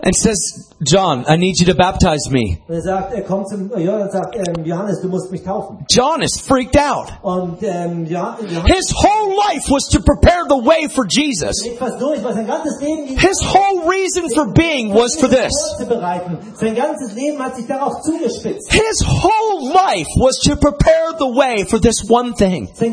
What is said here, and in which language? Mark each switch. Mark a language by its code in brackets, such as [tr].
[en] And says, John, I need you to baptize me. [de] Und er sagt, er kommt zum Jordan und sagt, Johannes, du musst mich taufen. [en] John is freaked out. [de] Und [en] his whole life was to prepare the way for Jesus. His whole reason for being was for this. His whole life was to prepare the way for this one thing.